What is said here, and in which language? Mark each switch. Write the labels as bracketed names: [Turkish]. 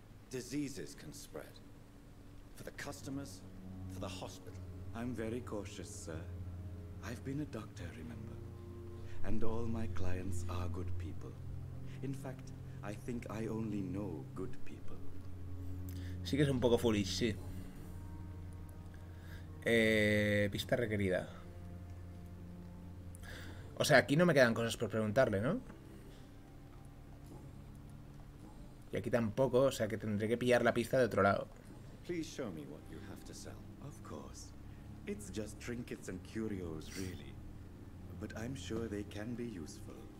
[English] Diseases can spread. For the customers, for the hospital. I'm very cautious, sir. I've been a doctor, remember? And all my clients are good people. In fact, I think I only know good people. [Spanish] Sí que es un poco foolish, sí. Pista requerida. O sea, aquí no me quedan cosas por preguntarle, ¿no? Y aquí tampoco, o sea que tendré que pillar la pista de otro lado. [English] Please show me what you have to sell. Of course. It's just trinkets and curios, really. but I'm sure they can be useful.